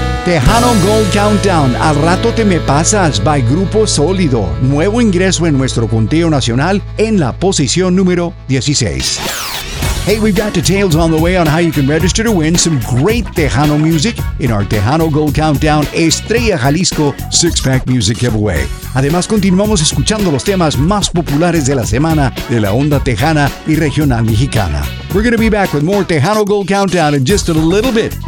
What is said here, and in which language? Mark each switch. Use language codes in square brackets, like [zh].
[en] Tejano Gold Countdown, Al Rato Te Me Pasas, by Grupo Sólido. [es] Nuevo ingreso en nuestro conteo nacional en la posición número 16. [en] Hey, we've got details on the way on how you can register to win some great Tejano music in our Tejano Gold Countdown Estrella Jalisco six-pack music giveaway. [es] Además, continuamos escuchando los temas más populares de la semana de la onda tejana y regional mexicana. [en] We're going to be back with more Tejano Gold Countdown in just a little bit.